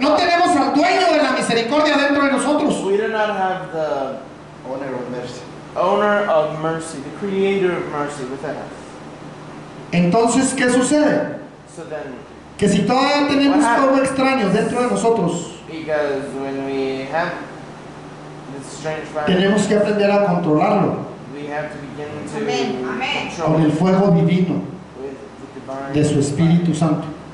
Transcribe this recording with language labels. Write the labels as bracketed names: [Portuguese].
[Spanish] No tenemos al dueño de la misericordia dentro de nosotros. [English] We do not have the owner of mercy. Owner of mercy, the creator of mercy within us. [Spanish] Entonces, ¿qué sucede? [English] So then, [Spanish] que si todavía tenemos fuego extraño dentro de nosotros. [English] Because when we have. [Spanish] Tenemos que aprender a controlarlo. Amén. Amén. Con el fuego divino de su Espíritu Santo.